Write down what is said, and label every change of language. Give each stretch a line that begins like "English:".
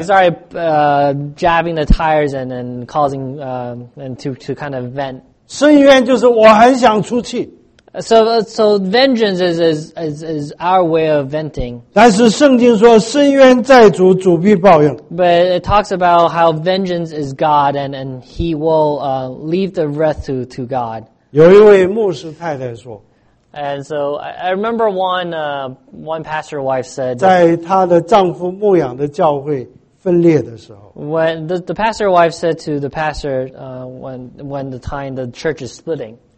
English: He started jabbing the tires and then causing to kind of vent.
Chinese: 伸冤就是我很想出气。
English: So vengeance is our way of venting.
Chinese: 但是圣经说伸冤在主，主必报应。
English: But it talks about how vengeance is God, and He will leave the wrath to God.
Chinese: 有一位牧师太太说。
English: And so I remember one pastor wife said.
Chinese: 在她的丈夫牧养的教会分裂的时候。
English: When the pastor wife said to the pastor, when the time the church is splitting.